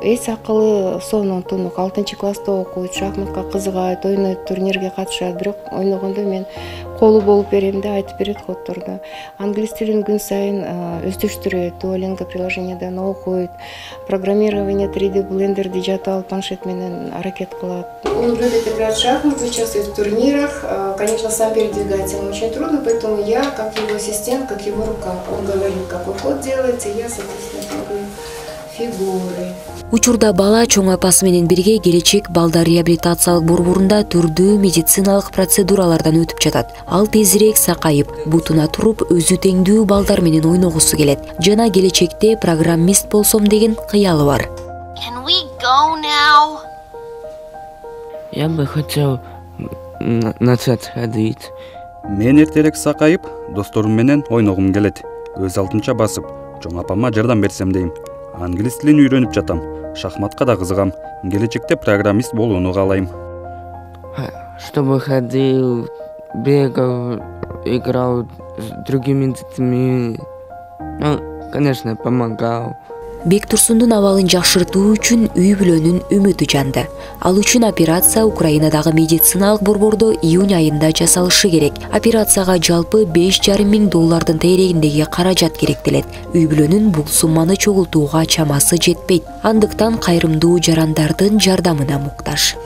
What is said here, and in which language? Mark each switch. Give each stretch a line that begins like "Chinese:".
Kyrgyz: Эс акылы сонун тунук. Алтынчы класста окуйт, шахматка кызыгат, ойнойт, турнирге катышат. Бирок ойногондо мен колу болуп берем да, айтып берет котторду. Англис тилин күн сайын өздөштүрөт, Duolingo приложениядан окуйт, программирование 3D блендерди жатып алып планшет менен аракет кылат.
Russian: Он любит играть в шахматы, участвует в турнирах. Конечно, сам передвигать ему очень трудно, поэтому я, как его ассистент, как его рука, он говорит, какой ход делается, и я, соответственно, делаю фигуры.
Kyrgyz: Учурда бала чоң апасы менен бирге келечек балдар реабилитациялык борборунда түрдүү медициналык процедуралардан өтүп жатат. Ал тезирээк сакайып, бутуна туруп, өзү теңдүү балдар менен ойногусу келет. Жана келечекте программист болсом деген кыялы бар.
English: Can we go now?
Russian: Я бы хотел начать ходить.
Kyrgyz: Мен эртерээк сакайып, досторум менен ойногум келет. Өз алдымча басып, чоң апама жардам берсем дейм. Англис тилин үйрөнүп жатам. Шахматка да кызыгам. Келечекте программист болууну каалайм.
Russian: Чтобы ходил, бегал, играл с другими детьми. Ну, конечно, помогал.
Kyrgyz: Бектурсундун абалын жакшыртуу үчүн үй бүлөнүн үмүтү жанды. Ал үчүн операция Украинадагы медициналык борбордо июнь айында жасалышы керек. Операцияга жалпы 5,500 доллардын тейрегиндеги каражат керектелет. Үй бүлөнүн бул сумманы чогултууга чамасы жетпейт. Андыктан кайрымдуу жарандардын жардамына муктаж.